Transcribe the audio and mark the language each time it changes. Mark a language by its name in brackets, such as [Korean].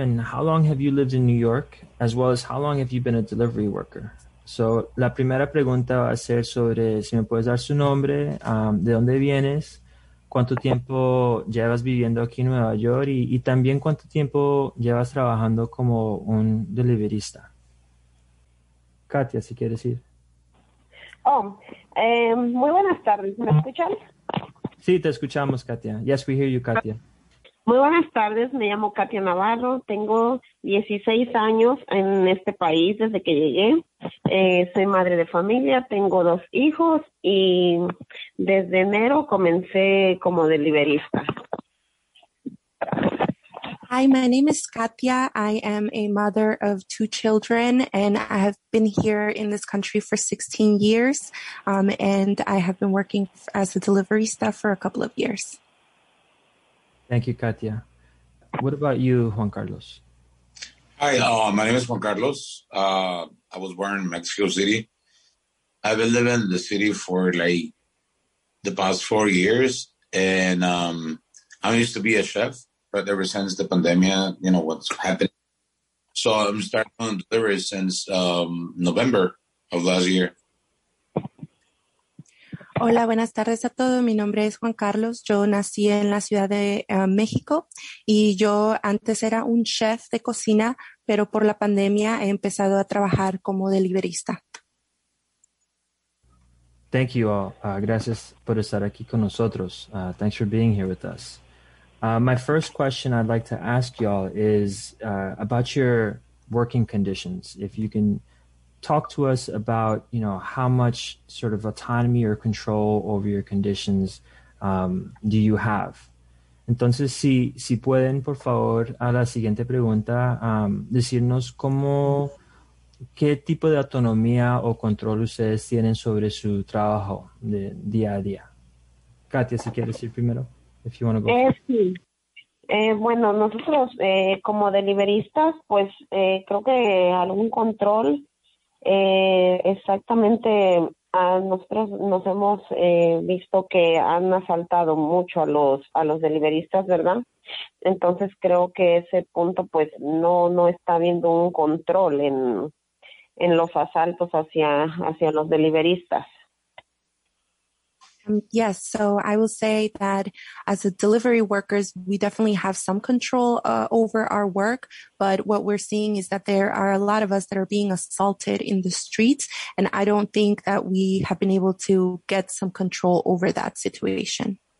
[English] And how long have you lived in New York? As well as how long have you been a delivery worker? [Spanish] So, la primera pregunta va a ser sobre si me puedes dar su nombre, de dónde vienes, cuánto tiempo llevas viviendo aquí en Nueva York, y también cuánto tiempo llevas trabajando como un deliverista. Katia, si quieres ir. Muy buenas tardes. ¿Me escuchan? Sí, te escuchamos, [English] Katia. Yes, we hear you, Katia. [Spanish] Muy buenas tardes. Me llamo Katia Navarro. Tengo 16 años en este país desde que llegué. Soy madre de familia. Tengo dos hijos y desde enero comencé como deliverista. [English] Hi, my name is Katia. I am a mother of two children, and I have been here in this country for 16 years, and I have been working as a delivery staff for a couple of years. Thank you, Katia. What about you, Juan Carlos? Hi, my name is Juan Carlos. I was born in Mexico City. I've been living in the city for like the past 4 years, and I used to be a chef. But ever since the pandemic, you know, what's happened. So I'm starting on delivery since November of last year. [Spanish] Hola, buenas tardes a todos. Mi nombre es Juan Carlos. Yo nací en la Ciudad de México y yo antes era un chef de cocina, pero por la pandemia he empezado a trabajar como deliverista. [English] Thank you all. [Spanish] Gracias por estar aquí con nosotros. [English] Thanks for being here with us. My first question I'd like to ask y'all is about your working conditions. If you can talk to us about, you know, how much sort of autonomy or control over your conditions do you have? [Spanish] Entonces, si pueden, por favor, a la siguiente pregunta, decirnos cómo, qué tipo de autonomía o control ustedes tienen sobre su trabajo de día a día. Katia, si quieres ir primero. [English] If you want to go. [Spanish] Bueno, nosotros como deliveristas, pues creo que algún control exactamente a nosotros nos hemos visto que han asaltado mucho a los deliveristas, ¿verdad? Entonces creo que ese punto pues no está habiendo un control en los asaltos hacia los deliveristas. [English] Yes, so I will say that as a delivery workers, we definitely have some control over our work. But what we're seeing is that there are a lot of us that are being assaulted in the streets. And I don't think that we have been able to get some control over that situation.